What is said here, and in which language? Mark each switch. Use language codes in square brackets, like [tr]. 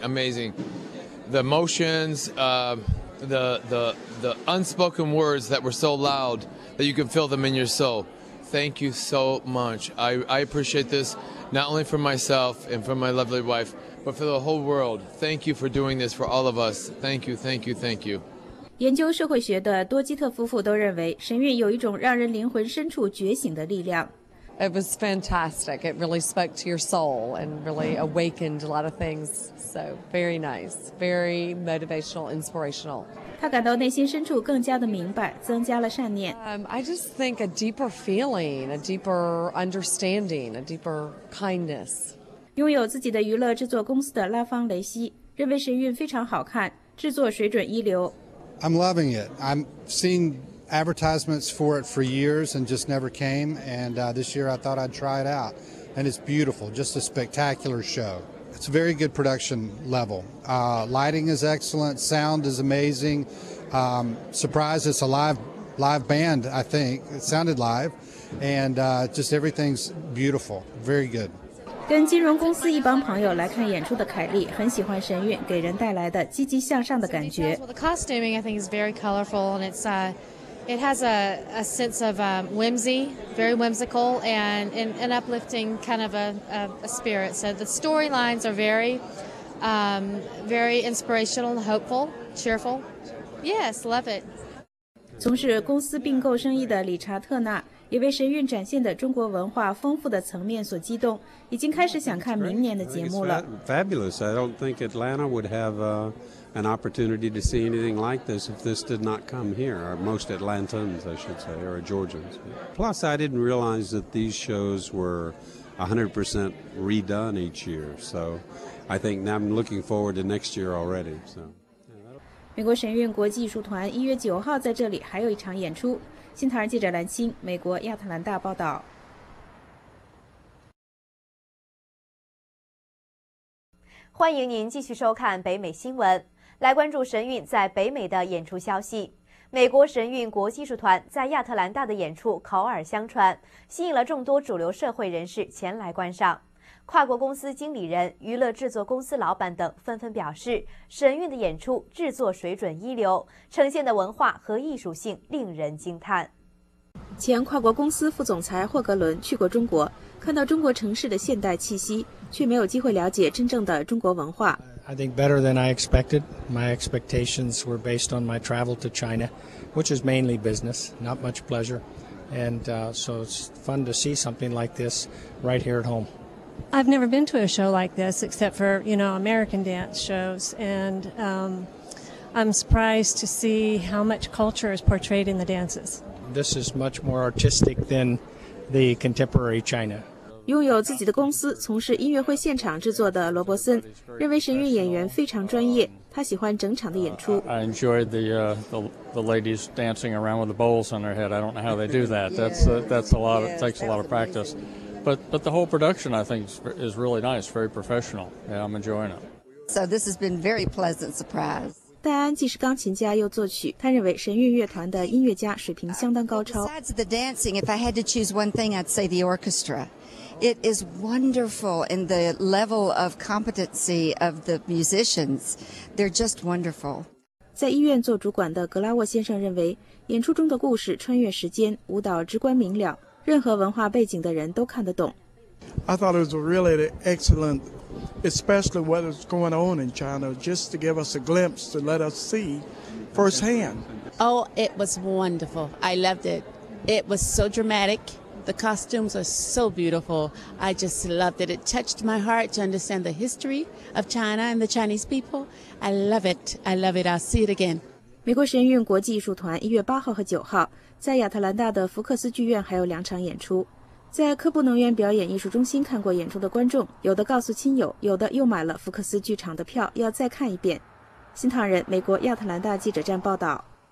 [en] The emotions, the unspoken words that were so loud that you can feel them in your soul. Thank you so much. I appreciate this not only for myself and for my lovely wife, but for the whole world. Thank you for doing this for all of us. Thank you. [zh] 研究社会学的多基特夫妇都认为神韵有一种让人灵魂深处觉醒的力量。 [en] It was fantastic. It really spoke to your soul and really awakened a lot of things. So very nice, very motivational, inspirational. [zh] 他感到内心深处更加的明白，增加了善念。 [en] I just think a deeper feeling, a deeper understanding, a deeper kindness. [zh] 拥有自己的娱乐制作公司的拉芳雷西认为神韵非常好看，制作水准一流。 [en] I'm loving it. I'm seeing advertisements for it for years and just never came. And this year I thought I'd try it out. And it's beautiful, just a spectacular show. It's a very good production level. Lighting is excellent. Sound is amazing. Surprise, it's a live band, I think. It sounded live. And just everything's beautiful. Very good. [zh] 跟金融公司一帮朋友来看演出的凯莉很喜欢神韵给人带来的积极向上的感觉。 [en] Well, the costuming I think is very colorful and it's it has a sense of whimsy, very whimsical and an uplifting kind of a spirit. So the storylines are very very inspirational, hopeful, cheerful. Yes, love it. [zh] 从事公司并购生意的理查特纳。也为神韵展现的中国文化丰富的层面所激动，已经开始想看明年的节目了。 [en] Fabulous! I don't think Atlanta would have an opportunity to see anything like this if this did not come here. Or most Atlantans, I should say, or Georgians. Plus, I didn't realize that these shows were 100% redone each year. So, I think I'm looking forward to next year already. So, [zh] 美国神韵国际艺术团一月九号在这里还有一场演出。新唐人记者蓝青，美国亚特兰大报道。欢迎您继续收看北美新闻，来关注神韵在北美的演出消息。美国神韵国际艺术团在亚特兰大的演出口耳相传，吸引了众多主流社会人士前来观赏。跨国公司经理人、娱乐制作公司老板等纷纷表示，神韵的演出制作水准一流，呈现的文化和艺术性令人惊叹。前跨国公司副总裁霍格伦去过中国，看到中国城市的现代气息，却没有机会了解真正的中国文化。 [en] I think better than I expected. My expectations were based on my travel to China, which is mainly business, not much pleasure. And so it's fun to see something like this right here at home. I've never been to a show like this except for, you know, American dance shows. And I'm surprised to see how much culture is portrayed in the dances. This is much more artistic than the contemporary China. [zh] 拥有自己的公司从事音乐会现场制作的罗伯森认为神韵演员非常专业，他喜欢整场的演出。 [en] I enjoyed the ladies dancing around with the bowls on their head. I don't know how they do that. That's a lot, it takes a lot of practice. But the whole production, I think, is really nice, very professional. Yeah, I'm enjoying it. So this has been a very pleasant surprise. [zh] 戴安既是钢琴家又作曲，他认为神韵乐团的音乐家水平相当高超。 [en] Besides the dancing, if I had to choose one thing, I'd say the orchestra. It is wonderful in the level of competency of the musicians. They're just wonderful. [zh] 在医院做主管的格拉沃先生认为，演出中的故事穿越时间，舞蹈直观明了。任何文化背景的人都看得懂。 [en] I thought it was really excellent, especially what is going on in China, just to give us a glimpse to let us see firsthand. Oh, it was wonderful. I loved it. It was so dramatic. The costumes are so beautiful. I just loved it. It touched my heart to understand the history of China and the Chinese people. I love it. I love it. I'll see it again. [zh] 美国神韵国际艺术团一月八号和九号。在亚特兰大的福克斯剧院还有两场演出，在科布能源表演艺术中心看过演出的观众，有的告诉亲友，有的又买了福克斯剧场的票要再看一遍。新唐人，美国亚特兰大记者站报道。